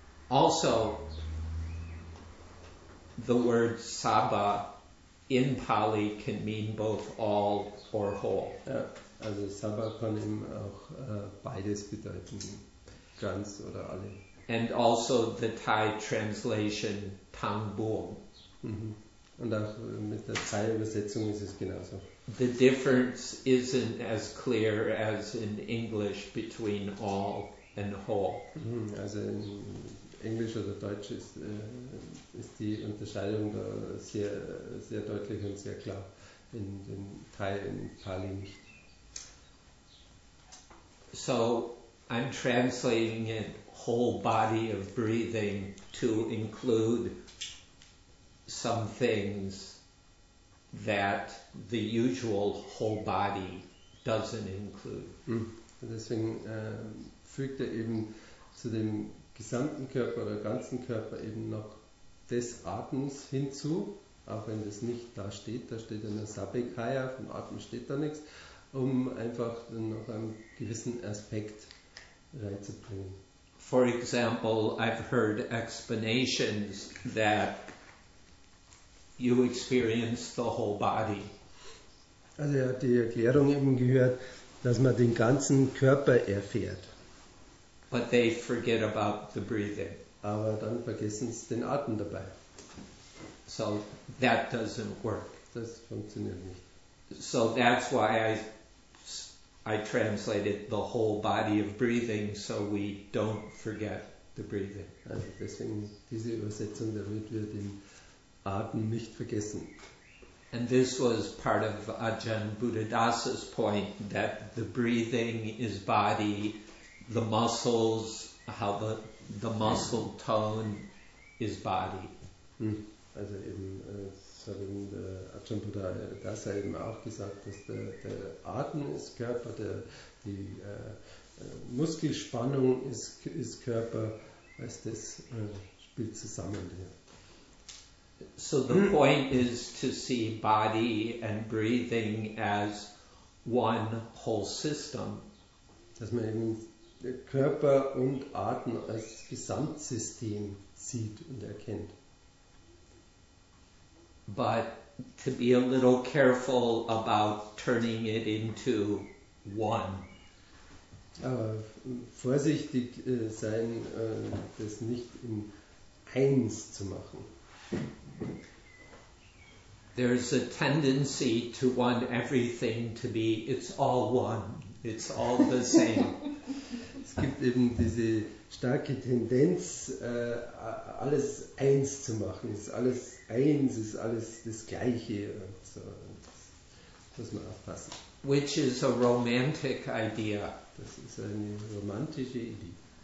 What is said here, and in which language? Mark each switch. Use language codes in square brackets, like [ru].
[en] Also, the word Sabba in Pali can mean both all or whole. [de] Ja, also Sabba kann eben auch beides bedeuten, ganz oder alle. [en] And also the Thai translation Tangbuong. Mm-hmm. [de] Und auch mit der Thai-Übersetzung ist es genauso. [en] The difference isn't as clear as in English between all and whole. [de] Also in Englisch oder Deutsch ist die Unterscheidung da sehr, sehr deutlich und sehr klar. In den Thai, in Pali nicht. [en] So, I'm translating it whole body of breathing to include some things that the usual whole body doesn't include. [de] Deswegen fügt er eben zu dem gesamten Körper oder ganzen Körper eben noch des Atems hinzu, auch wenn das nicht da steht, da steht ja nur Sabbekaya, vom Atem steht da nichts, um einfach noch einen gewissen Aspekt reinzubringen. [en] For example, I've heard explanations that you experience the whole body. [de] Also er hat die Erklärung eben gehört, dass man den ganzen Körper erfährt. [en] But they forget about the breathing. [de] Aber dann vergessen sie den Atem dabei. [en] So that doesn't work. [de] Das funktioniert nicht. [en] So that's why I translated the whole body of breathing, so we don't forget the breathing. [de] Also deswegen diese Übersetzung, damit wir den Atem nicht vergessen. [en] And this was part of Ajahn Buddhadasa's point that the breathing is body, the muscles, how the muscle tone is body. [de] Also eben, das hat eben der Ajahn Buddhadasa eben auch gesagt, dass der Atem ist Körper, die Muskelspannung ist Körper, also das spielt zusammen. Ja. [en] So the point is to see body and breathing as one whole system. [de] Dass man eben der Körper und Atem als Gesamtsystem sieht und erkennt. [en] But to be a little careful about turning it into one. [de] Aber vorsichtig sein, das nicht in eins zu machen. [en] There is a tendency to want everything to be, it's all one, it's all the same. [de] Es gibt eben diese starke Tendenz, alles eins zu machen, ist alles eins, ist alles das Gleiche. Und so. Das muss man aufpassen. [en] Which is a romantic idea. [de] Das ist eine romantische Idee.